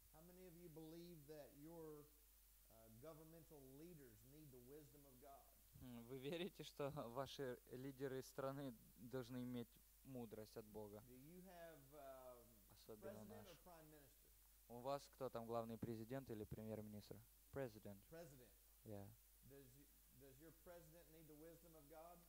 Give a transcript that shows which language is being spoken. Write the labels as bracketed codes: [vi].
[en] How many of you believe that your governmental leaders need the wisdom of God? [ru] Вы верите, что ваши лидеры страны должны иметь мудрость от Бога? [en] Do you have [ru] особенно [en] president or prime minister? [ru] У вас кто там главный, президент или премьер-министр? [en] President. President. Yeah. Does your president need the wisdom of God?